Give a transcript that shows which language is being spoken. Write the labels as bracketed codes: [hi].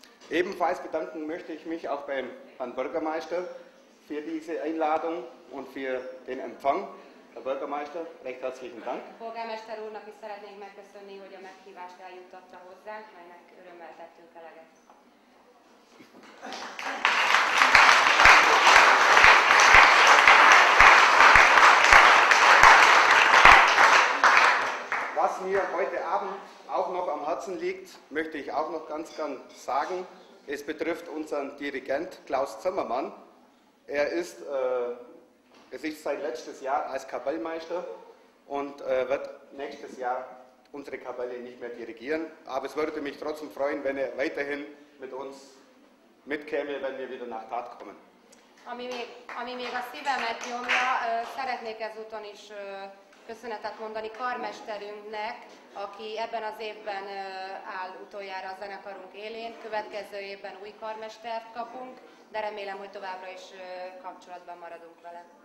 [de] Ebenfalls bedanken möchte ich mich auch beim Herrn Bürgermeister für diese Einladung und für den Empfang. Herr Bürgermeister, recht herzlichen Dank. [hu] Polgármester úrnak is szeretnénk megköszönni, hogy a meghívást eljuttatta hozzánk, melynek örömmel tettünk eleget. [de] Was mir heute Abend auch noch am Herzen liegt, möchte ich auch noch ganz gern sagen. Es betrifft unseren Dirigent Klaus Zimmermann. Er ist sein letztes Jahr als Kapellmeister und wird nächstes Jahr unsere Kapelle nicht mehr dirigieren. Aber es würde mich trotzdem freuen, wenn er weiterhin mit uns mitkäme, wenn wir wieder nach Tat kommen. [hu] Ami még a szívemet nyomja, szeretnék ezúton is köszönetet mondani karmesterünknek, aki ebben az évben áll utoljára a zenekarunk élén. Következő évben új karmestert kapunk, de remélem, hogy továbbra is kapcsolatban maradunk vele.